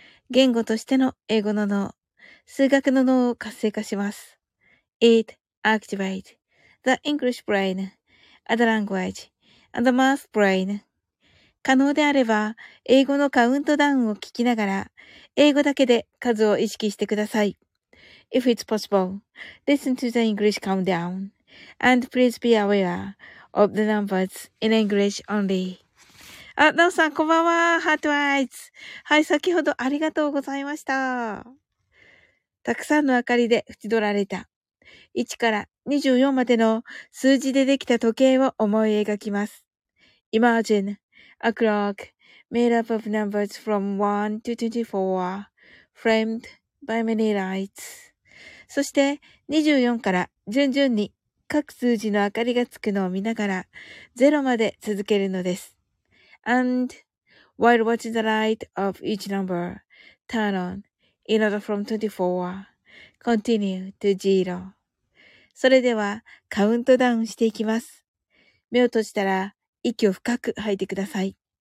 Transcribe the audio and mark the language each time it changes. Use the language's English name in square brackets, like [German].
[Japanese] 言語としての英語の脳、数学の脳を活性化します。 [English] It activates the English brain, the language, and the math brain. [Japanese] 可能であれば、英語のカウントダウンを聞きながら、英語だけで数を意識してください。 [English] If it's possible, listen to the English countdown, and please be aware of the numbers in English only. [Japanese] あ、なおさん、こんばんは。ハートアイズ。はい、先ほどありがとうございました。たくさんの明かりで縁取られた。1から24までの数字でできた時計を思い描きます。 [English] Imagine a clock made up of numbers from 1 to 24, framed by many lights. [Japanese] そして24から順々に各数字の明かりがつくのを見ながら0まで続けるのです。 [English] And while watching the light of each number turn on in order from 24, continue to 0. [Japanese] それではカウントダウンしていきます。目を閉じたら息を深く吐いてください。